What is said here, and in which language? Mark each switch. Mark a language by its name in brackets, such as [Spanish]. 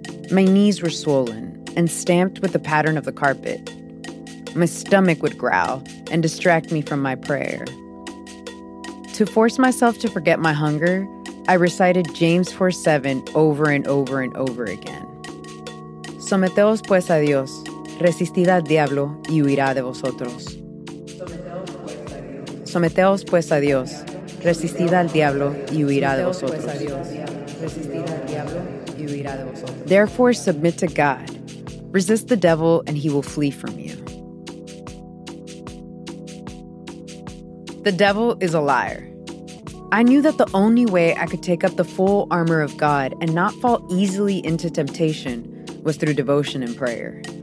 [English] My knees were swollen and stamped with the pattern of the carpet. My stomach would growl and distract me from my prayer. To force myself to forget my hunger, I recited James 4:7 over and over and over again. [Spanish] Someteos pues a Dios, resistid al diablo y huirá de vosotros. Someteos pues a Dios, resistid al diablo y huirá de vosotros. [English] Therefore, submit to God. Resist the devil, and he will flee from you. The devil is a liar. I knew that the only way I could take up the full armor of God and not fall easily into temptation was through devotion and prayer.